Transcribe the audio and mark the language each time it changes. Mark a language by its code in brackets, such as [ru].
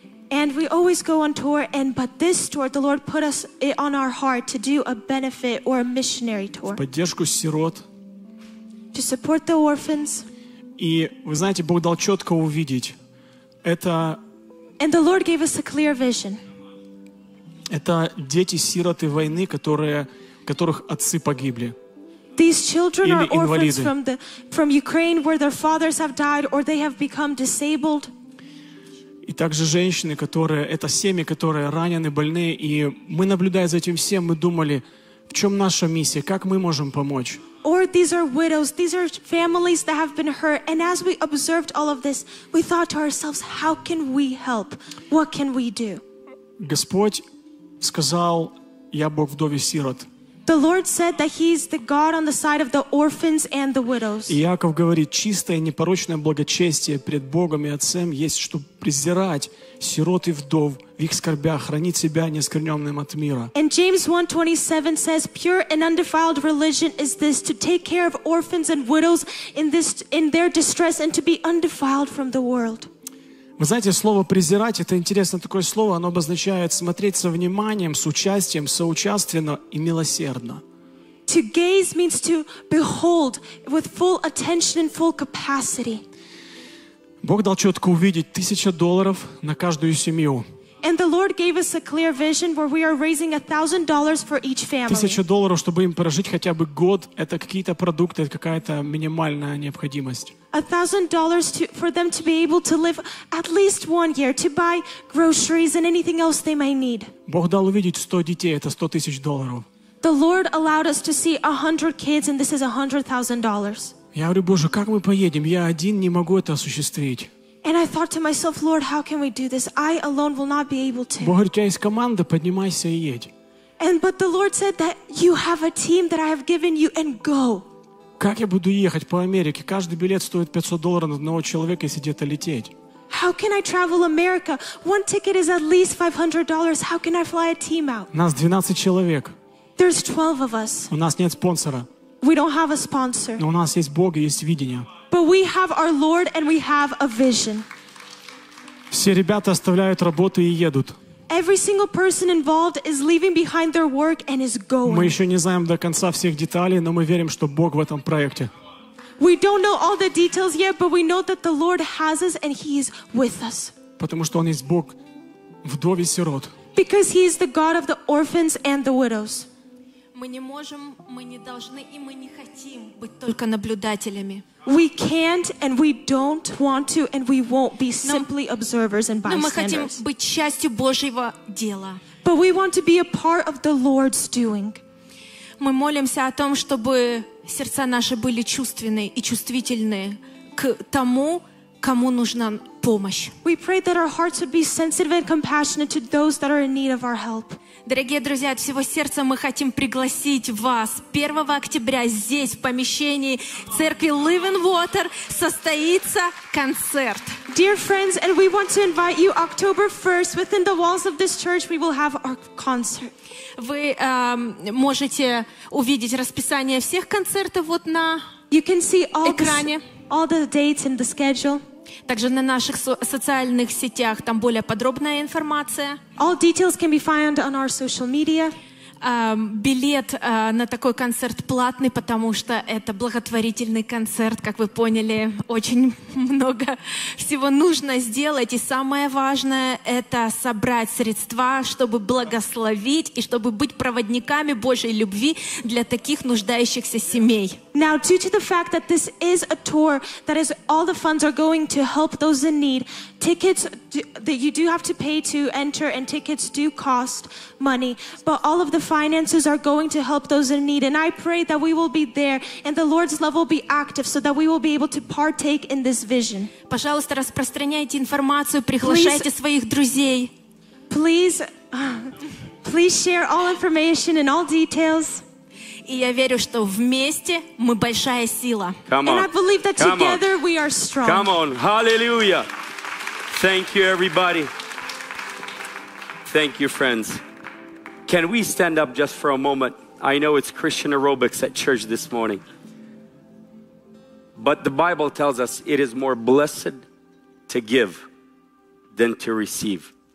[en] And we always go on tour, and but this tour, the Lord put us it on our heart to do a benefit or a missionary tour. [ru] В поддержку сирот. [en] To support the orphans. [ru] И вы знаете, Бог дал четко увидеть. Это. [en] And the Lord gave us a clear vision. [ru] Это дети сироты войны, которых отцы погибли. [en] These children are orphans from Ukraine, where their fathers have died or they have become disabled. [ru] И также женщины, которые это семьи, которые ранены, больные, и мы наблюдая за этим всем, мы думали, в чем наша миссия, как мы можем помочь? [en] Or these are widows, these are families that have been hurt, and as we observed all of this, we thought to ourselves, how can we help? What can we do? [ru] Господь сказал, я Бог вдове сирот. [en] The Lord said that He is the God on the side of the orphans and the widows. [ru] Иаков говорит, чистое и непорочное благочестие пред Богом и Отцем есть, чтобы презирать сирот и вдов в их скорбях, хранить себя неоскверненным от мира. [en] And James 1:27 says, pure and undefiled religion is this, to take care of orphans and widows in their distress and to be undefiled from the world. [ru] Вы знаете, слово «презирать» — это интересное такое слово. Оно обозначает смотреть со вниманием, с участием, соучаственно и милосердно. [en] To gaze means to behold with full attention and full capacity. [ru] Бог дал четко увидеть $1,000 на каждую семью. [en] And the Lord gave us a clear vision where we are raising $1,000 for each family. [ru] $1,000, чтобы им прожить хотя бы год, это какие-то продукты, это какая-то минимальная необходимость. [en] $1,000 for them to be able to live at least 1 year, to buy groceries and anything else they may need. [ru] Бог дал увидеть 100 детей, это $100,000. [en] The Lord allowed us to see 100 kids and this is $100,000. [ru] Я говорю, Боже, как мы поедем? Я один не могу это осуществить. [en] And I thought to myself, Lord, how can we do this? I alone will not be able to. [ru] Бог говорит, у тебя есть команда, поднимайся и едь. [en] And but the Lord said that you have a team that I have given you and go. [ru] Как я буду ехать по Америке? Каждый билет стоит $500 на одного человека, если где-то лететь. [en] How can I travel America? One ticket is at least $500. How can I fly a team out? [ru] Нас 12 человек. [en] There's 12 of us. [ru] У нас нет спонсора. [en] We don't have a sponsor. [ru] Но у нас есть Бог и есть видение. [en] But we have our Lord and we have a vision. [ru] Все ребята оставляют работу и едут. [en] Every single person involved is leaving behind their work and is going. [ru] Мы еще не знаем до конца всех деталей, но мы верим, что Бог в этом проекте. [en] We don't know all the details yet, but we know that the Lord has us and He is with us. [ru] Потому что Он есть Бог вдов и сирот. [en] Because He is the God of the orphans and the widows. [ru] Мы не можем, мы не должны и мы не хотим быть только наблюдателями. [en] We can't and we don't want to and we won't be simply observers and bystanders. [ru] Но мы хотим быть частью Божьего дела. [en] But we want to be a part of the Lord's doing. [ru] Мы молимся о том, чтобы сердца наши были чувственны и чувствительны к тому, кому нужна помощь. [en] We pray that our hearts would be sensitive and compassionate to those that are in need of our help. [ru] Дорогие друзья, от всего сердца мы хотим пригласить вас. 1 октября здесь, в помещении церкви Living Water, состоится концерт. [en] Dear friends, and we want to invite you October 1st, within the walls of this church, we will have our concert. [ru] Вы можете увидеть расписание всех концертов вот на экране. [en] You can see all the dates in the schedule. [ru] Также на наших социальных сетях там более подробная информация. [en] All details can be found on our social media. [ru] Билет на такой концерт платный, потому что это благотворительный концерт. Как вы поняли, очень много всего нужно сделать. И самое важное — это собрать средства, чтобы благословить и чтобы быть проводниками Божьей любви для таких нуждающихся семей. [en] Now, due to the fact that this is a tour, that is, all the funds are going to help those in need, tickets that you do have to pay to enter, and tickets do cost money, but all of the finances are going to help those in need, and I pray that we will be there, and the Lord's love will be active, so that we will be able to partake in this vision. [ru] Пожалуйста, распространяйте информацию, приглашайте своих друзей. [en] Please share all information and all details. [ru] И я верю, что вместе мы большая сила. [en] And I believe that together we are strong. Come on. Hallelujah. Thank you, everybody. Thank you, friends. Can we stand up just for a moment? I know it's Christian aerobics at church this morning. But the Bible tells us it is more blessed to give than to receive.